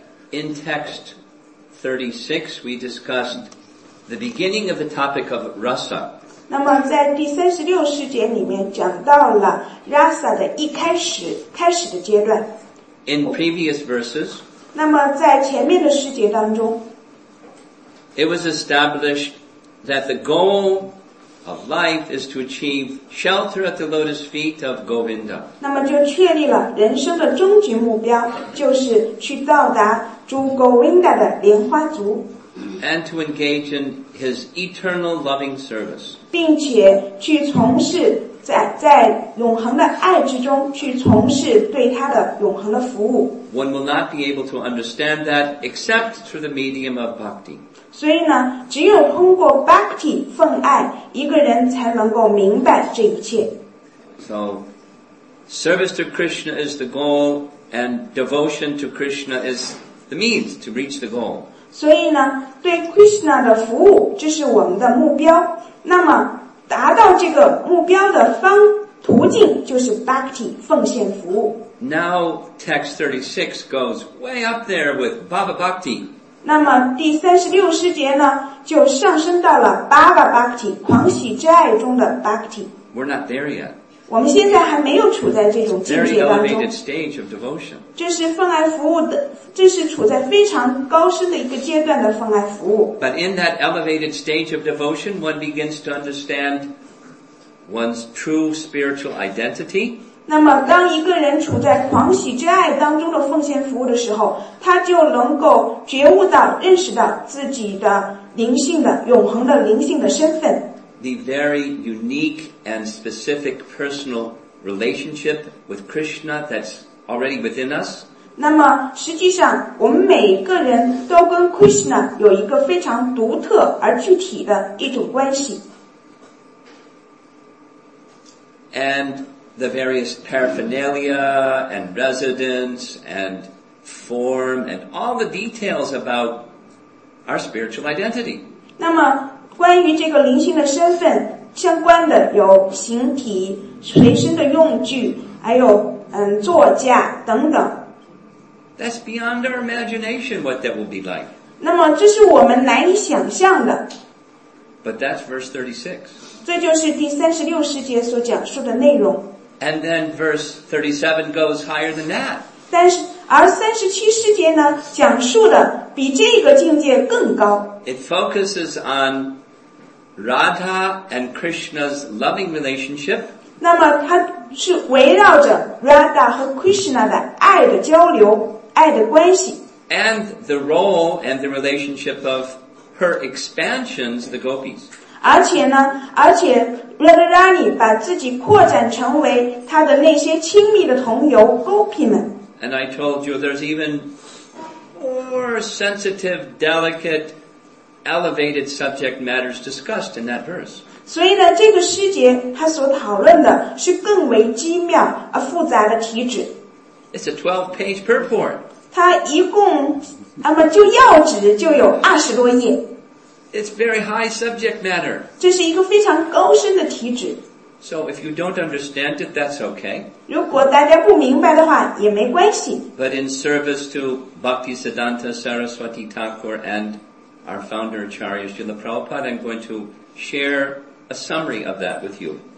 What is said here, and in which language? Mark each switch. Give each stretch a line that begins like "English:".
English: In text 36, we discussed the beginning of the topic of rasa.
Chinese: 那么在第三十六十节里面讲到了 rasa 的一开始，开始的阶段。
English: In previous verses,
Chinese: 那么在前面的十节当中
English: it was established that the goal of life is to achieve shelter at the lotus feet of Govinda.
Chinese: 那么就确立了人生的终极目标，就是去到达主 Govinda 的莲花足。
English: And to engage in his eternal loving service.
Chinese: 并且去从事 在永恒的爱之中去从事对他的永恒的服务。
English: One will not be able to understand that except through the medium of bhakti.
Chinese: 所以呢只有通过 bhakti 奉爱一个人才能够明白这一切。
English: So, service to Krishna is the goal and devotion to Krishna is the means to reach the goal.
Chinese: 所以呢对 Krishna 的服务这是我们的目标那么达到这个目标的方途径就是 Bhakti 奉献服务
English: Now text 36 goes way up there with Baba Bhakti
Chinese: 那么第三十六十节呢就上升到了 Baba Bhakti 狂喜之爱中的 Bhakti
English: We're not there yet
Chinese: 我们现在还没有处在这种境界当中
English: Very elevated stage of devotion
Chinese: 这是奉爱服务的这是处在非常高深的一个阶段的奉爱服务。
English: But in that elevated stage of devotion, one begins to understand one's true spiritual identity.
Chinese: 那么当一个人处在狂喜之爱当中的奉献服务的时候他就能够觉悟到认识到自己的灵性的永恒的灵性的身份。
English: The very unique and specific personal relationship with Krishna that's already within us,
Chinese: 那么实际上我们每个人都跟 Krishna 有一个非常独特而具体的一种关系。
English: And the various paraphernalia and residence and form and all the details about our spiritual identity.
Chinese: 那么关于这个灵性的身份相关的有形体随身的用具还有座驾等等。
English: That's beyond our imagination what that will be like.
Chinese: 那么这是我们难以想象的。
English: But that's verse 36.
Chinese: 这就是第三十六十节所讲述的内容。
English: And then verse 37 goes higher than that.
Chinese: 但是而三十七十节呢讲述的比这个境界更高。
English: It focuses on Radha and Krishna's loving relationship.
Chinese: 那么它是围绕着 Radha 和 Krishna 的爱的交流。爱的关系
English: and the role and the relationship of her expansions, the gopis.
Chinese: 而且呢，而且 Radharani 把自己扩展成为她的那些亲密的同游 gopi 们。
English: And I told you there's even more sensitive, delicate, elevated subject matters discussed in that verse.
Chinese: 所以呢，这个诗节它所讨论的是更为机妙而复杂的题旨。
English: It's a 12-page purport.
Chinese: 它一共，那么就要旨就有二十多页。
English: It's very high subject matter.
Chinese: 这是一个非常高深的题旨。
English: So if you don't understand it, that's okay.
Chinese: 如果大家不明白的话，也没关系。
English: But in service to Bhaktisiddhanta Saraswati Thakur and our founder Acharya Srila Prabhupada, I'm going to share a summary of that with you.